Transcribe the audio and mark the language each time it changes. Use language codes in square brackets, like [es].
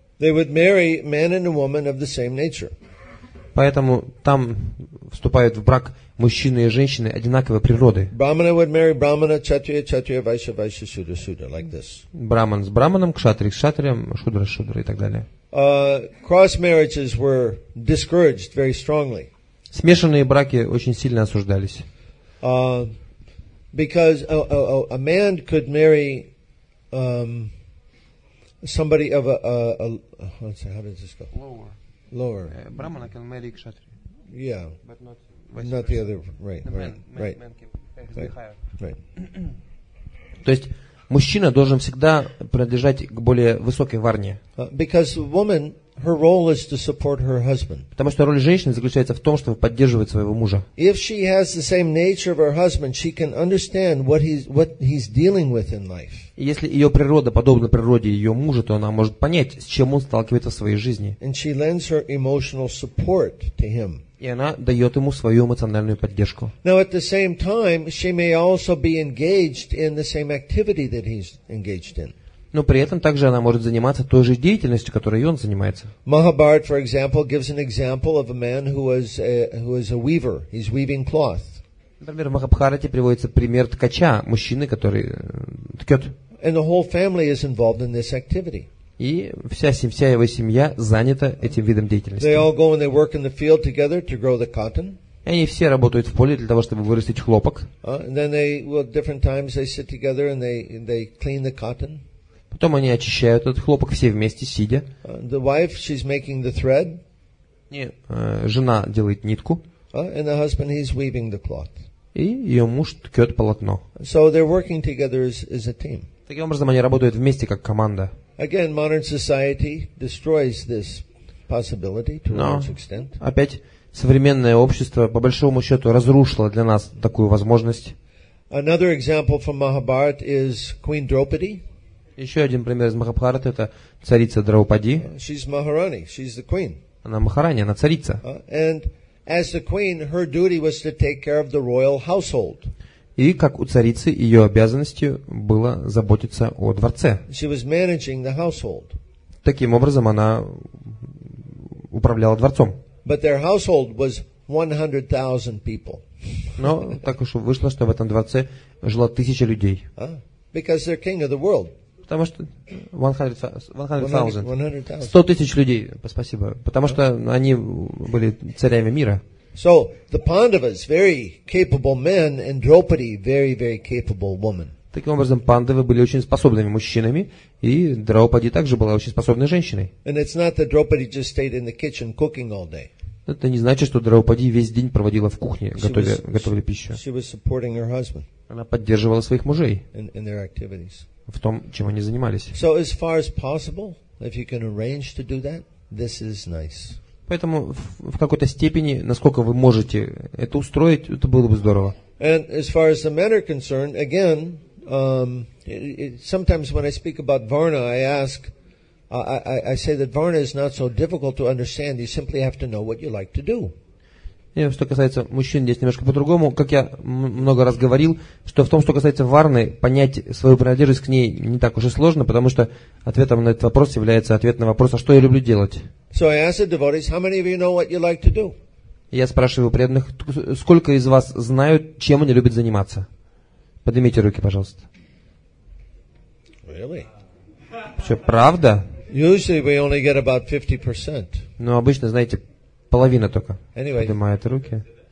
[en] They would marry man and a woman of the same nature. [ru] Поэтому там вступают в брак мужчины и женщины одинаковой природы. [en] Brahmana would marry Brahmana, Kshatriya, Kshatriya, Vaishya, Vaishya, Shudra, Shudra, like this. [ru] Браман с Браманом, Кшатри с Кшатрием, Шудра с Шудрой и так далее. [en] Cross marriages were discouraged very strongly. [ru] Смешанные браки очень сильно осуждались. [en] Because a man could marry somebody of a let's say, how does this go? Lower. Brahmana can marry Kshatriya. Yeah. But not vice versa. The other, right. The right. Man can be higher. [ru] То есть мужчина должен всегда принадлежать к более высокой варне. [en] Because the woman, her role is to support her husband. [ru] Потому что роль женщины заключается в том, чтобы поддерживать своего мужа. [en] If she has the same nature of her husband, she can understand what he's dealing with in life. [ru] Если ее природа подобна природе ее мужа, то она может понять, с чем он сталкивается в своей жизни. [en] And she lends her emotional support to him. [ru] И она дает ему свою эмоциональную поддержку. [en] Now at the same time, she may also be engaged in the same activity that he's engaged in. [ru] Но при этом также она может заниматься той же деятельностью, которой он занимается. [en] Mahabharata, for example, gives an example of a man who was a weaver. He's weaving cloth. [ru] Например, в Махабхарате приводится пример ткача, мужчины, который ткет. [en] And the whole family is involved in this activity. [ru] И вся его семья занята этим видом деятельности. [en] They all go and they work in the field together to grow the cotton. [ru] И они все работают в поле для того, чтобы вырастить хлопок. [en] And then they, well, different times they sit together and they clean the cotton. [ru] Потом они очищают этот хлопок все вместе, сидя. [en] The wife, she's making the thread. [ru] Нет, жена делает нитку. [en] And the husband, he's weaving the cloth. [ru] И ее муж ткет полотно. [en] So they're working together as a team. [ru] Таким образом, они работают вместе как команда. [en] Again, modern society destroys this possibility to a large extent. [ru] Но опять современное общество по большому счету разрушило для нас такую возможность. [en] Another example from Mahabharata is Queen Draupadi. [ru] Еще один пример из Махабхарата – это царица Драупади. [en] She's Maharani, she's the queen. [ru] Она Махарани, она царица. [en] And as the queen, her duty was to take care of the royal household. [ru] И как у царицы, ее обязанностью было заботиться о дворце. [en] She was managing the household. [ru] Таким образом, она управляла дворцом. [en] But their household was 100,000 people. [ru] Но так уж вышло, что в этом дворце жило 1,000 людей. [en] Because they're king of the world. [ru] Потому что 100 тысяч людей, спасибо. Потому что они были царями мира. [en] So the Pandavas, very capable men, and Draupadi, very, very capable woman. [ru] Таким образом, Пандавы были очень способными мужчинами, и Драупади также была очень способной женщиной. [en] And it's not that Draupadi just stayed in the kitchen cooking all day. [ru] Это не значит, что Драупади весь день проводила в кухне, готовила пищу. [en] She was supporting her husband. [ru] Она поддерживала своих мужей [en] in their activities. [ru] В том, чем они занимались. [en] So as far as possible, if you can arrange to do that, this is nice. [ru] Поэтому в какой-то степени, насколько вы можете это устроить, это было бы здорово. [en] And as far as the men are concerned, again, sometimes when I speak about Varna, I say that Varna is not so difficult to understand. You simply have to know what you like to do. [ru] И что касается мужчин, здесь немножко по-другому. Как я много раз говорил, что в том, что касается Варны, понять свою принадлежность к ней не так уж и сложно, потому что ответом на этот вопрос является ответ на вопрос, а что я люблю делать? [en] So I asked the devotees, how many of you know what you like to do? [ru] Я спрашиваю преданных, сколько из вас знают, чем они любят заниматься? Поднимите руки, пожалуйста. [en] Really? [ru] Все, правда? [en] Usually we only get about 50%. [ru] Но обычно, знаете, половина только поднимает руки.